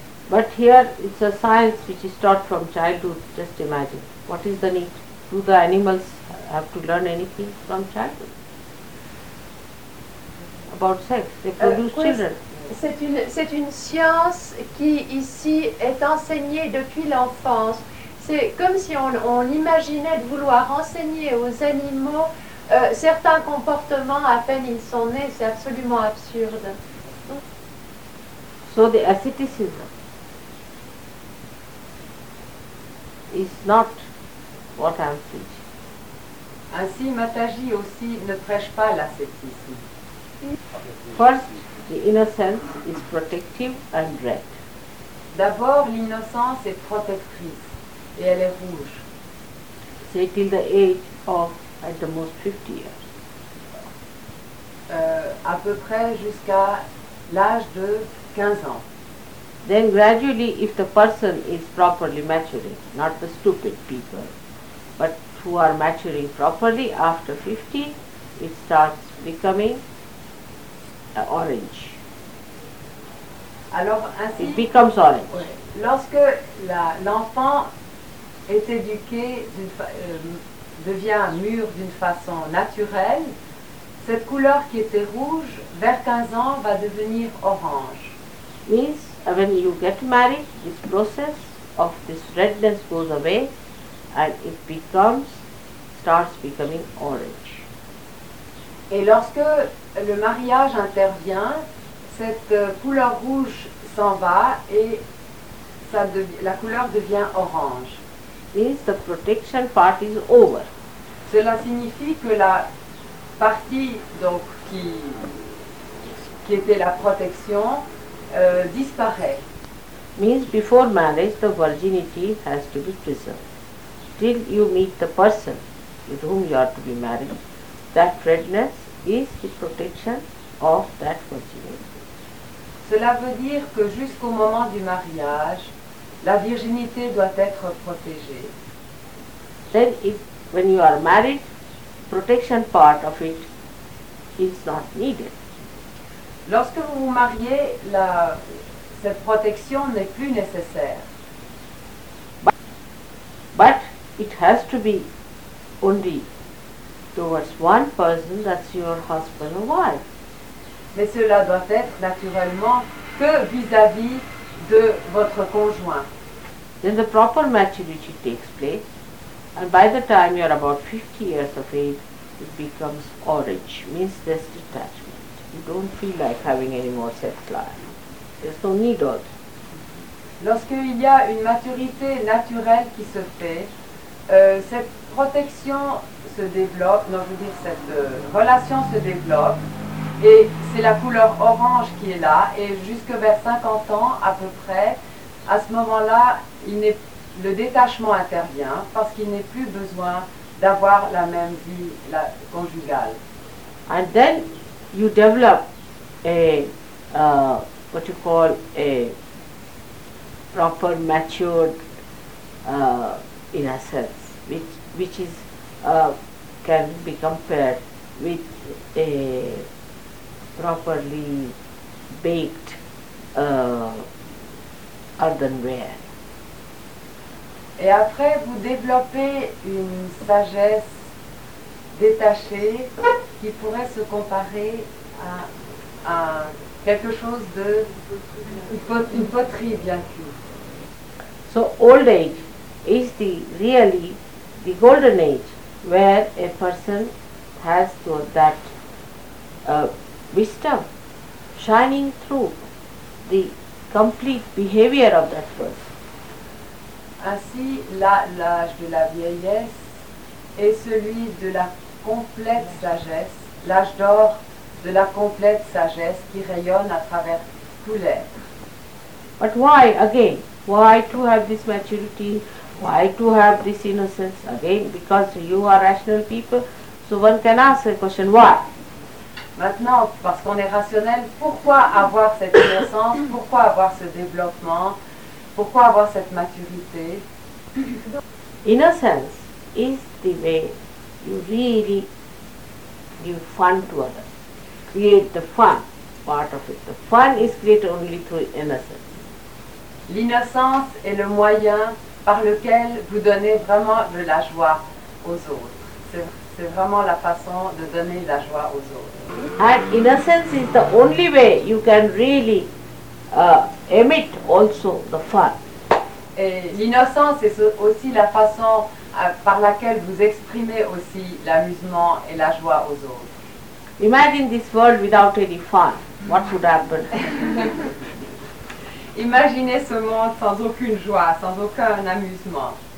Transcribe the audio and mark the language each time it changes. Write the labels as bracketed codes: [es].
[en] But here it's a science which is taught from childhood. Just imagine, what is the need? Do the animals have to learn anything from childhood about sex? They produce children. [fr] C'est une science qui ici est enseignée depuis l'enfance. C'est comme si on imaginait de vouloir enseigner aux animaux certains comportements à peine ils sont nés. C'est absolument absurde. [en] So the asceticism is not what I'm teaching. [fr] Ainsi, Mataji aussi ne prêche pas l'ascétisme. [en] First, the innocence is protective and red. [fr] D'abord, l'innocence est protectrice et elle est rouge. C'est [en] till the age of at the most 50 years. [fr] À peu près jusqu'à l'âge de 15 ans. [en] Then gradually, if the person is properly maturing, not the stupid people, but who are maturing properly after 50, it starts becoming orange. [fr] Alors, ainsi, [en] it becomes orange. [fr] Oui. Lorsque l'enfant est éduqué, devient mûr d'une façon naturelle, cette couleur qui était rouge, vers 15 ans, va devenir orange. [en] Means when you get married, this process of this redness goes away and it starts becoming orange. [fr] Et lorsque le mariage intervient, cette couleur rouge s'en va et la couleur devient orange. [en] Means the protection part is over. [fr] Cela signifie que la partie donc qui était la protection disparaît. [en] Means before marriage, the virginity has to be preserved. Till you meet the person with whom you are to be married, that redness is the protection of that virginity. [fr] Cela veut dire que jusqu'au moment du mariage, la virginité doit être protégée. [en] Then, when you are married, protection part of it, it's not needed. [fr] Lorsque vous vous mariez, la, cette protection n'est plus nécessaire. [en] But it has to be only towards one person, that's your husband or wife. [fr] Mais cela doit être naturellement que vis-à-vis de votre conjoint. [en] Then the proper maturity takes place, and by the time you are about 50 years of age, it becomes orange, means there's detachment. You don't feel like having any more sex life. There's no need of it. [fr] Lorsqu'il y a une maturité naturelle qui se fait, cette protection se développe, non, je veux dire, cette relation se développe, et c'est la couleur orange qui est là, et jusque vers 50 ans à peu près, à ce moment-là, le détachement intervient parce qu'il n'est plus besoin d'avoir la même vie la, conjugale. [en] And then you develop a what you call a proper matured innocence, which is can be compared with a properly baked earthenware. [fr] Et après, vous développez une sagesse détachée qui pourrait se comparer à quelque chose de une poterie bien cuite. [en] So old age is the really the golden age where a person has that wisdom shining through the complete behavior of that person. [fr] Ainsi, là, l'âge de la vieillesse est celui de la complète sagesse, l'âge d'or de la complète sagesse qui rayonne à travers tout l'être. [en] But why, again, why to have this maturity, why to have this innocence, again, because you are rational people, so one can ask a question, why? [fr] Maintenant, parce qu'on est rationnel, pourquoi avoir cette innocence, pourquoi avoir ce développement? Pourquoi avoir cette maturité? [en] Innocence is the way you really give fun to others. Create the fun part of it. The fun is created only through innocence. [fr] L'innocence est le moyen par lequel vous donnez vraiment de la joie aux autres. C'est vraiment la façon de donner la joie aux autres. [en] And innocence is the only way you can really emit also the fun. [fr] Et l'innocence est aussi la façon par laquelle vous exprimez aussi l'amusement et la joie aux autres. [en] Imagine this world without any fun. What would happen? [fr] Imaginez ce monde sans aucune joie, sans aucun amusement.